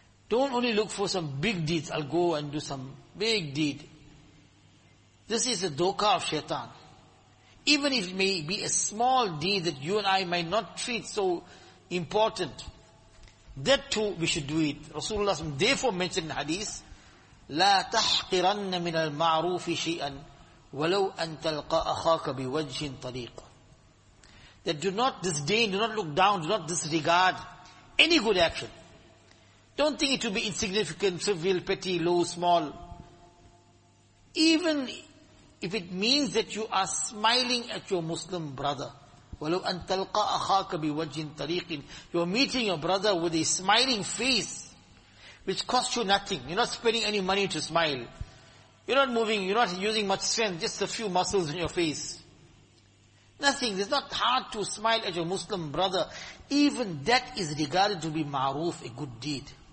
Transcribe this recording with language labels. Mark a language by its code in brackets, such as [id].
[en] Don't only look for some big deeds. I'll go and do some big deed. This is a dhoka of shaitan. Even if it may be a small deed that you and I might not treat so important, that too we should do it. Rasulullah therefore mentioned in the hadith, [ar] لَا تَحْقِرَنَّ مِنَ الْمَعْرُوفِ شِيئًا وَلَوْ أَن تَلْقَ أَخَاكَ بِوَجْهٍ طَرِيقٍ. [en] That do not disdain, do not look down, do not disregard any good action. Don't think it to be insignificant, trivial, petty, low, small. Even if it means that you are smiling at your Muslim brother. [ar] وَلَوْ أَن تَلْقَ أَخَاكَ بِوَجْهٍ طَرِيقٍ. [en] You are meeting your brother with a smiling face, which costs you nothing. You're not spending any money to smile. You're not moving, you're not using much strength, just a few muscles in your face. Nothing. It's not hard to smile at your Muslim brother. Even that is regarded to be ma'roof, a good deed.